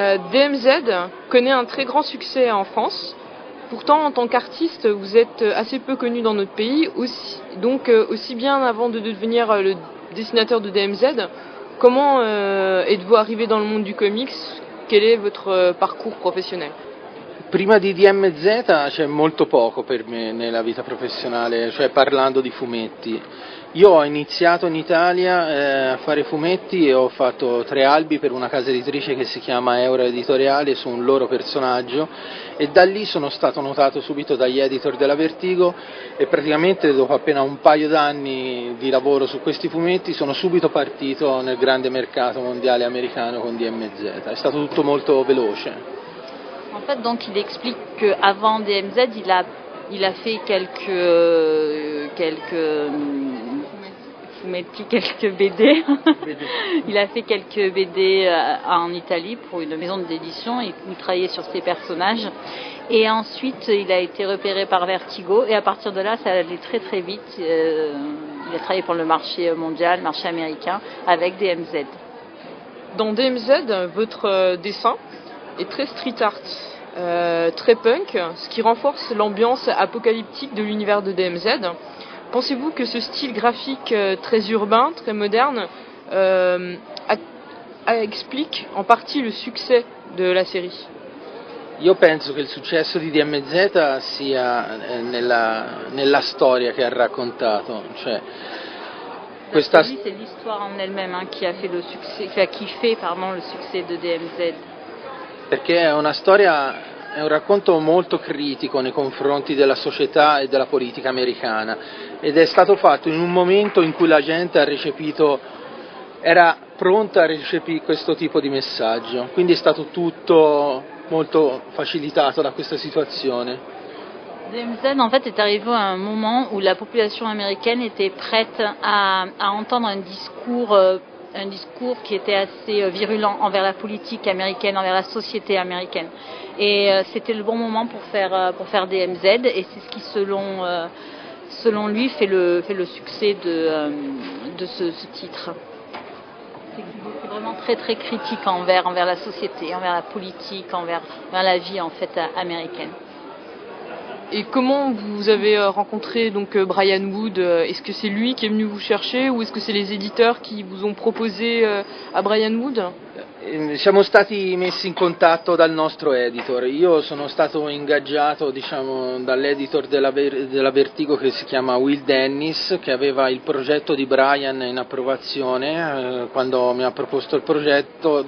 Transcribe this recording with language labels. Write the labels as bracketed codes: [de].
[fr] DMZ connaît un très grand succès en France. Pourtant, en tant qu'artiste, vous êtes assez peu connu dans notre pays. Aussi bien avant de devenir le dessinateur de DMZ, comment êtes-vous arrivé dans le monde du comics? Quel est votre parcours professionnel? [it] Prima di DMZ c'è molto poco per me nella vita professionale, cioè parlando di fumetti. Io ho iniziato in Italia a fare fumetti e ho fatto 3 albi per una casa editrice che si chiama Euro Editoriale su un loro personaggio e da lì sono stato notato subito dagli editor della Vertigo e praticamente dopo appena un paio d'anni di lavoro su questi fumetti sono subito partito nel grande mercato mondiale americano con DMZ. È stato tutto molto veloce. [fr] En fait, donc, il explique qu'avant DMZ, il a fait quelques BD. Il a fait quelques BD en Italie pour une maison d'édition. Il travaillait sur ses personnages. Et ensuite, il a été repéré par Vertigo. Et à partir de là, ça allait très très vite. Il a travaillé pour le marché mondial, le marché américain, avec DMZ. Dans DMZ, votre dessin est très street art. Très punk, ce qui renforce l'ambiance apocalyptique de l'univers de DMZ. Pensez-vous que ce style graphique très urbain, très moderne, explique en partie le succès de la série? [it] Io penso che il successo di DMZ sia nella storia che ha raccontato, cioè questa storia. [fr] C'est l'histoire en elle-même hein, qui a fait le succès, qui fait pardon le succès de DMZ. [it] Perché è una storia, è un racconto molto critico nei confronti della società e della politica americana ed è stato fatto in un momento in cui la gente ha recepito, era pronta a recepire questo tipo di messaggio, quindi è stato tutto molto facilitato da questa situazione. [fr] DMZ en fait est arrivé à un moment où la population américaine était prête à entendre un discours qui était assez virulent envers la politique américaine, envers la société américaine. Et c'était le bon moment pour faire DMZ, et c'est ce qui, selon lui, fait le succès de ce titre. C'est vraiment très très critique envers la société, envers la politique, envers la vie en fait américaine. Et comment vous avez rencontré donc Brian Wood? Est-ce que c'est lui qui est venu vous chercher ou est-ce que c'est les éditeurs qui vous ont proposé à Brian Wood? [it] Siamo stati messi in contatto dal nostro editor. Io sono stato ingaggiato, diciamo, dall'editor della Vertigo che si chiama Will Dennis, che aveva il progetto di Brian in approvazione quando mi ha proposto il progetto.